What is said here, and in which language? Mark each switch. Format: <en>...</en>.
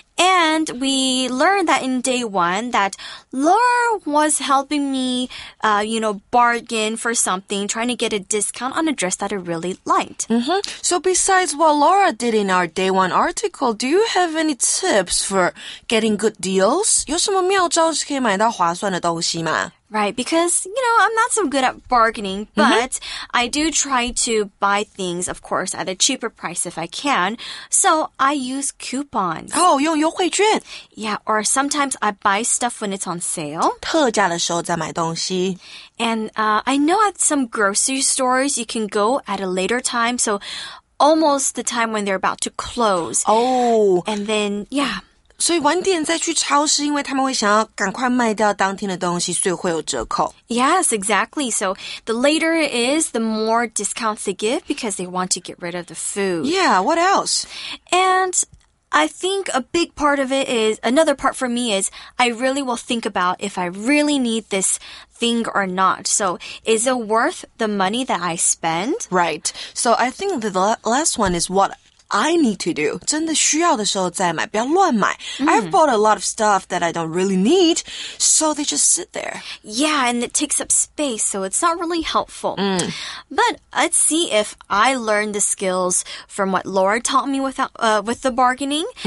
<en>And we learned that in day one that Laura was helping me, bargain for something, trying to get a discount on a dress that I really liked. Mm-hmm. So besides what Laura did in our day one article, do you have any tips for getting good deals?</en> <zh>有什么妙招是可以买到划算的东西吗？</zh> <en>Right, because, you know, I'm not so good at bargaining, but I do try to buy things, of course, at a cheaper price if I can. So I use coupons.</en> <zh>Oh, 用优惠券。</zh> <en>Yeah, or sometimes I buy stuff when it's on sale.</en> <zh>特价的时候再买东西。</zh> <en>And I know at some grocery stores you can go at a later time, so almost the time when they're about to close. Oh. And then, yeah.</en> <zh>所以晚点再去超市，因为他们会想要赶快卖掉当天的东西，所以会有折扣。</zh> <en>Yes, exactly. So the later it is, the more discounts they give because they want to get rid of the food. Yeah, what else? And I think a big part of it is, another part for me is, I really will think about if I really need this thing or not. So is it worth the money that I spend? Right. So I think the last one is what? I need to do.</en> <zh>真的需要的时候再买，不要乱买。</zh> <en>I've bought a lot of stuff that I don't really need, so they just sit there. Yeah, and it takes up space, so it's not really helpful. But let's see if I learned the skills from what Laura taught me with the bargaining.</en>